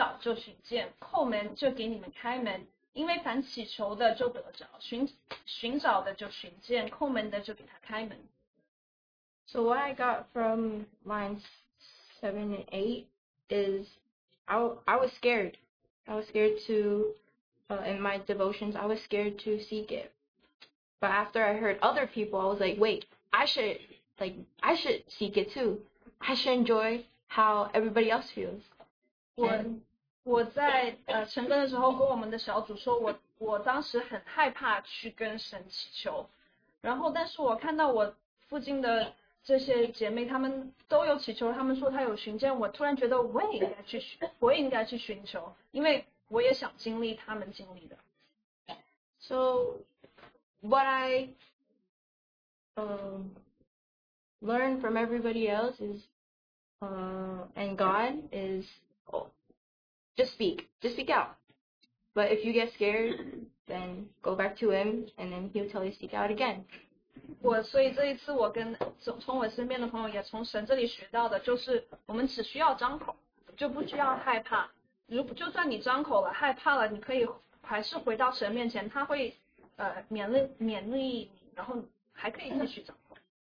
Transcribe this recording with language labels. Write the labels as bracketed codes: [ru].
[en] So, [zh] 第七节，你们祈求就给你们，寻找就寻见，叩门就给你们开门。因为凡祈求的就得着，寻找的就寻见，叩门的就给他开门。 [en] So what I got from lines 7 and 8 is I was scared. I was scared to, in my devotions, I was scared to seek it. But after I heard other people, I was like, wait, I should seek it too. I should enjoy how everybody else feels. And, [zh] 我在成功的时候跟我们的小组说我当时很害怕去跟神祈求，然后但是我看到我附近的这些姐妹她们都有祈求，她们说她有寻见，我突然觉得我也应该去寻求，因为我也想经历她们经历的。 [en] So what I learned from everybody else is and God isJust speak out. But if you get scared, then go back to him, and then he'll tell you seek out again. [zh] 所以这一次我跟从我身边的朋友也从神这里学到的，就是我们只需要张口，就不需要害怕。就算你张口了，害怕了，你可以还是回到神面前，他会勉励你，然后还可以继续张口。